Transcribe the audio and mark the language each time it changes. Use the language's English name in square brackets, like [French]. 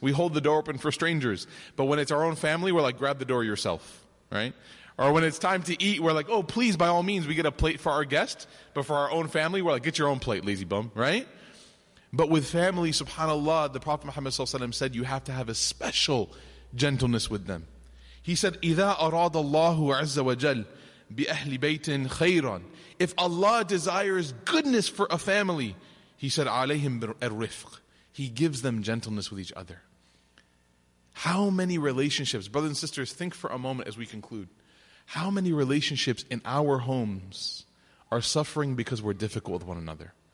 [English] We hold the door open for strangers. But when it's our own family, we're like, grab the door yourself, right? Or when it's time to eat, we're like, oh, please, by all means, we get a plate for our guest. But for our own family, we're like, get your own plate, lazy bum, right? But with family, subhanAllah, the Prophet Muhammad sallallahu alaihi wasallam said, you have to have a special gentleness with them. He said, [Arabic] إِذَا أَرَادَ اللَّهُ عَزَّ وَجَلْ بِأَهْلِ بَيْتٍ خَيْرًا. [English] If Allah desires goodness for a family, he said, [Arabic] عَلَيْهِمْ الرِّفْقِ. [English] He gives them gentleness with each other. How many relationships, brothers and sisters, think for a moment as we conclude. How many relationships in our homes are suffering because we're difficult with one another?